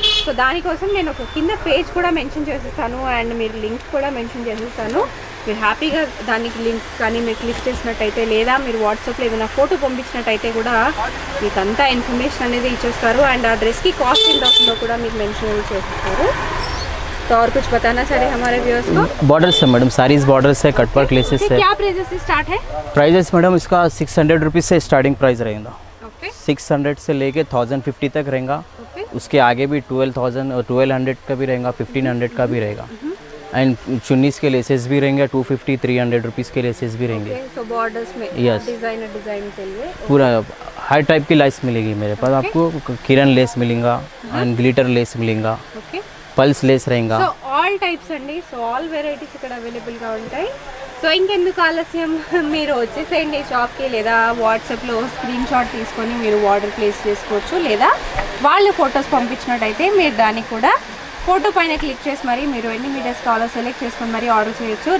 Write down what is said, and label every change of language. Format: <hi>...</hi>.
<te>So దానికోసం నేను ఒక కింద పేజ్ కూడా మెన్షన్ చేసేస్తాను, అండ్ మీరు లింక్ కూడా మెన్షన్ చేసేస్తాను. మీరు హ్యాపీగా దానికి లింక్ కానీ మీరు క్లిక్ చేసినట్టయితే, లేదా మీరు వాట్సాప్లో ఏదైనా ఫోటో పంపించినట్టయితే కూడా మీకు అంతా ఇన్ఫర్మేషన్ అనేది ఇచ్చేస్తారు. అండ్ ఆ డ్రెస్కి కాస్ట్ ఎంత అవుతుందో కూడా మీరు మెన్షన్ చేసేస్తారు.</te> <hi>और कुछ बताना सारे हमारे व्यूअर्स को? बॉर्डर्स है मैडम, सारीज बॉर्डर्स है, कटवर्क लेसेस है. क्या प्राइसेस से स्टार्ट है? प्राइसेस मैडम इसका 600 रुपीस से स्टार्टिंग प्राइस रहेगा. ओके, 600 से लेके 1050 तक रहेगा. ओके, उसके आगे भी 12000 और 1200 का भी रहेगा, 1500 का भी रहेगा. एंड चुन्नीस के लेसेस भी रहेंगे, 250 300 रुपीस के लेसेस भी रहेंगे. यस, डिजाइनर डिजाइन के लिए पूरा हर टाइप की लेस मिलेगी मेरे पास आपको. किरण लेस मिलेगा एंड ग्लिटर लेस मिलेगा, पल्स लेस रहेगा.</hi> <te>सो ऑल टाइप्स అండి, సో ఆల్ వెరైటీస్ ఇక్కడ అవైలబుల్ గా ఉంటాయి. సో ఇంకెందుకు ఆలస్యం? మీరు వచ్చేసేయండి షాప్ కి, లేదా వాట్సాప్ లో స్క్రీన్ షాట్ తీసుకొని మీరు ఆర్డర్ ప్లేస్ చేసుకోవచ్చు, లేదా వాళ్ళు ఫోటోస్ పంపించినట్టయితే మీరు దాని కూడా ఫోటో పైన క్లిక్ చేసి మరి మీరు ఎన్ని మీటర్స్ కావాలో సెలెక్ట్ చేసుకొని మరి ఆర్డర్ చేయొచ్చు.</te>